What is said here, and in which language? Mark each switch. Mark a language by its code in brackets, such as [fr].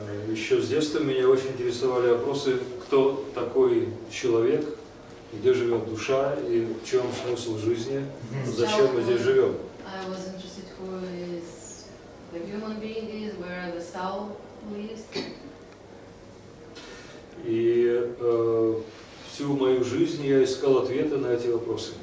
[ru] Еще с детства меня очень интересовали вопросы, кто такой человек, где живет душа и в чем смысл жизни, зачем мы здесь живем. [en] I was interested who is the human being is, where the soul lives. [ru] И всю мою жизнь я искал ответы на эти вопросы.